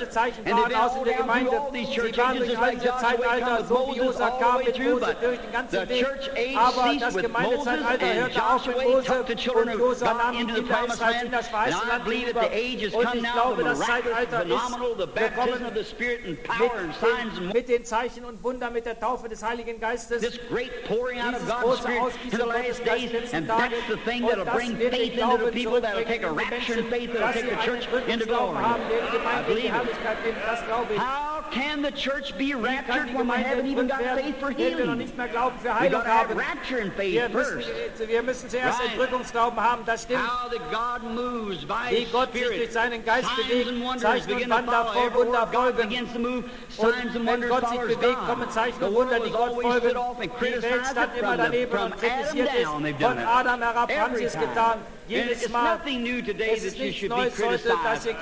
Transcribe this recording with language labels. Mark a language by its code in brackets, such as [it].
[en] And they've been all down through all these church ages, just like Joshua came with Moses all the way through, but the church age ceased with Moses, and Joshua took the children of God into the promised land. And I believe that the age has come now, the miraculous, phenomenal, the baptism of the Spirit and power and signs and wonders. [de] Mit den Zeichen und Wunder, mit der Taufe des Heiligen Geistes, [en] this great pouring out of God. Spirit in the last days, and that's the thing that'll bring faith into the people, that'll take a rapture in faith, that'll take the church into glory. I believe it. How can the church be raptured when we haven't even got faith for healing? We've got to have rapture in faith first. [de] Wir müssen zuerst Entrückungsglauben haben, das stimmt. [en] How that God moves by his Spirit, signs and wonders begin to follow. Everywhere God begins to move, signs and wonders follow God. The world has always stood off and criticized it, brother. From Adam down, they've done it. Every time. It's nothing new today that you should be criticized